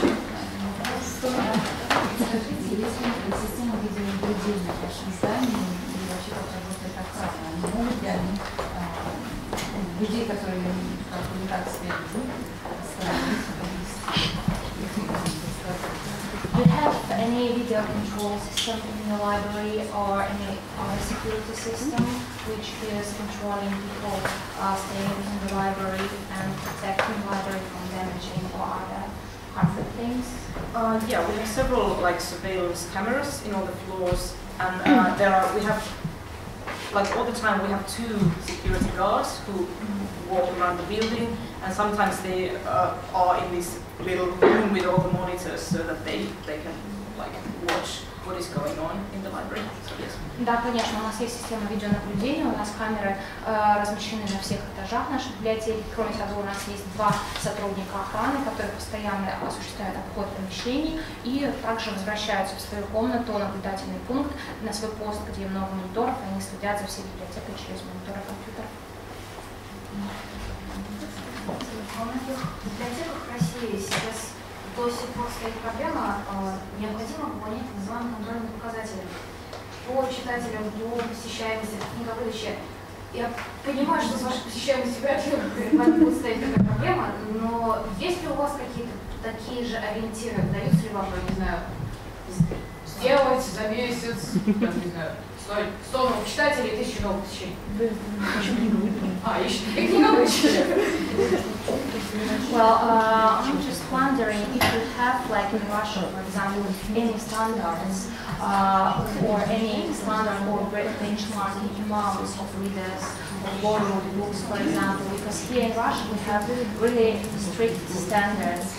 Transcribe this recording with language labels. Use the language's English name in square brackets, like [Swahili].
[Russian] Скажите, если система видеонаблюдения в вашем здании и вообще как работает охрана, не могут ли они людей, которые как-то не так связаны? [English] Do you have any video control system in the library or any security system which is controlling people staying in the library and protecting the library from damaging or other harmful things? Yeah, we have several like surveillance cameras in all the floors, and all the time we have two security guards who walk around the building, and sometimes they are in this little room with all the monitors so that they can like watch what is going on in the library. [Russian] Да, конечно, у нас есть система видеонаблюдения, у нас камеры размещены на всех этажах нашей библиотеки. Кроме того, у нас есть два сотрудника охраны, которые постоянно осуществляют обход помещений и также возвращаются в свою комнату, наблюдательный пункт, на свой пост, где много мониторов, и они следят за всей библиотекой через мониторы компьютеров. Библиотеках в России сейчас до сих пор стоит проблема, необходимо выполнять называемые контрольные показатели по читателям, по посещаемости, книговыдаче. Я понимаю, что с вашей посещаемостью вряд ли будет стоять такая проблема, но есть ли у вас какие-то такие же ориентиры? Даются ли вам, я не знаю, сделать за месяц, не знаю, 100 новых читателей, 1000 новых посещений? Да, еще книговыдаче. А, [English] Well, I'm just wondering if you have, like in Russia, for example, any standards or any standard or benchmarking amounts of readers or volume of books, for example, because here in Russia we have really strict standards.